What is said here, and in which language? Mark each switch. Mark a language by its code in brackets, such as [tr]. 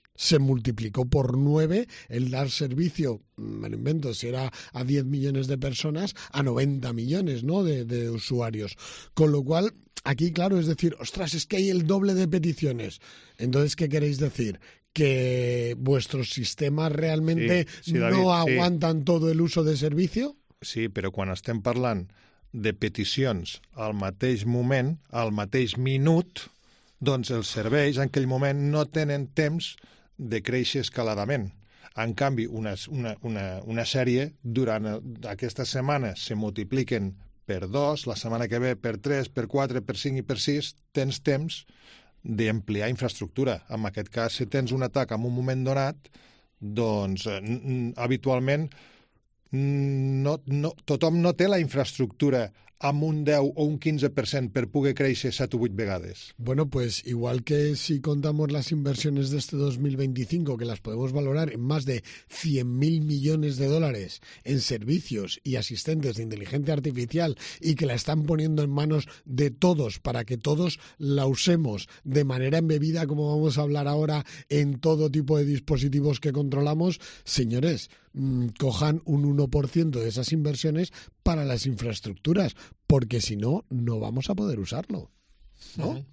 [es] se multiplicó por 9 el dar servicio, me lo invento, si era a 10 millones de personas, a 90 millones, ¿no?, de usuarios. Con lo cual, aquí, claro, es decir, ostras, es que hay el doble de peticiones. Entonces, ¿qué queréis decir? Que vuestros sistemas realmente no aguantan todo el uso de servicio. [ca] Sí, però quan estem parlant de peticions al mateix moment, al mateix minut, doncs els serveis en aquell moment no tenen temps de créixer escaladament. En canvi, una sèrie, durant aquesta setmana, se multipliquen per 2, la setmana que ve per 3, per 4, per 5 i per 6, tens temps d'ampliar infraestructura. En aquest cas, si tens un atac en un moment donat, doncs habitualment tothom no té la infraestructura amb un 10 o un 15% per poder créixer 7 o 8 vegades. [es] Bueno, pues igual que si contamos las inversiones de este 2025, que las podemos valorar en más de 100.000 millones de dólares en servicios y asistentes de inteligencia artificial, y que la están poniendo en manos de todos para que todos la usemos de manera embebida, como vamos a hablar ahora, en todo tipo de dispositivos que controlamos, señores, cojan un 1% de esas inversiones para las infraestructuras, porque si no, no vamos a poder usarlo, ¿no?